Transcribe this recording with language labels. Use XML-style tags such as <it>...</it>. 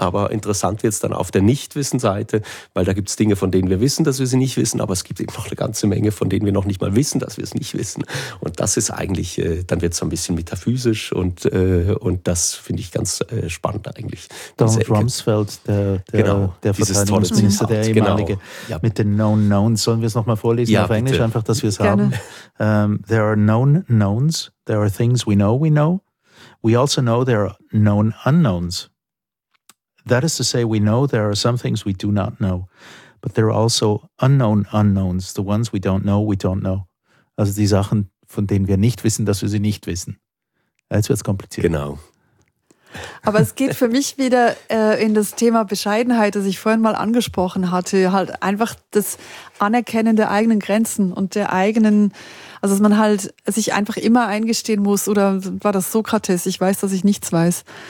<de>Aber interessant wird es dann auf der Nichtwissen-Seite, weil da gibt es Dinge, von denen wir wissen, dass wir sie nicht wissen, aber es gibt eben noch eine ganze Menge, von denen wir noch nicht mal wissen, dass wir es nicht wissen. Und das ist eigentlich, dann wird es so ein bisschen metaphysisch und das finde ich ganz spannend eigentlich. Donald Rumsfeld, der Verteidigungsminister, der ehemalige, genau. Ja. Mit den Known Knowns, sollen wir es nochmal vorlesen, ja, auf bitte. Englisch, einfach, dass wir es haben.</de> <en>There are known knowns, there are things we know, we also know there are known unknowns. That is to say, we know there are some things we do not know. But there are also unknown unknowns. The ones we don't know, we don't know.</en> <de>Also die Sachen, von denen wir nicht wissen, dass wir sie nicht wissen. Jetzt wird es kompliziert. Genau. Aber es geht für mich wieder in das Thema Bescheidenheit, das ich vorhin mal angesprochen hatte. Halt einfach das Anerkennen der eigenen Grenzen und der eigenen, also dass man halt sich einfach immer eingestehen muss, oder war das Sokrates, ich weiß, dass ich nichts weiß.</de>